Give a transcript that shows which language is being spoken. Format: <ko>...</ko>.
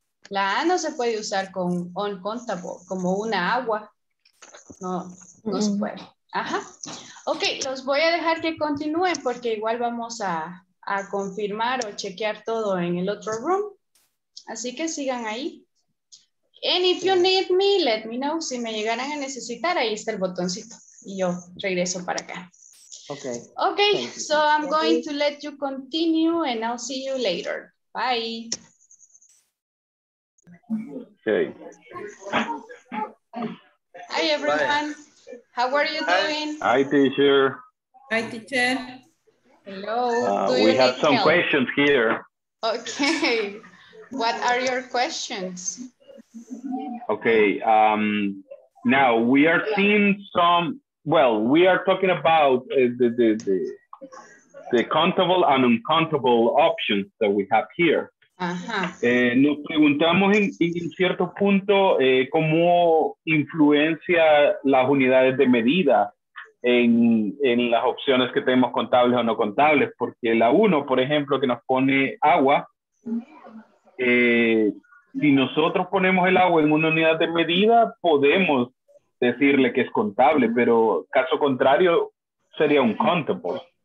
<es>La A no se puede usar con uncountable, como una agua. No, no se puede. Ajá. Ok, los voy a dejar que continúen porque igual vamos a confirmar o chequear todo en el otro room. Así que sigan ahí.</es> <en>And if you need me, let me know.</en> <es>Si me llegaran a necesitar, ahí está el botoncito. Y yo regreso para acá.</es> <en>Okay. Okay, so I'm going to let you continue and I'll see you later. Bye. Okay. Hi, everyone. Bye. How are you doing? Hi, teacher. Hi, teacher. Hello. We have some questions here. Okay. What are your questions? Okay. Now we are seeing some. Well, we are talking about the countable and uncountable options that we have here. Uh-huh.</en> <es>Nos preguntamos en cierto punto cómo influencia las unidades de medida en las opciones que tenemos contables o no contables, porque la 1, por ejemplo, que nos pone agua, si nosotros ponemos el agua en una unidad de medida, podemos decirle que es contable, pero caso contrario, sería un countable.</es>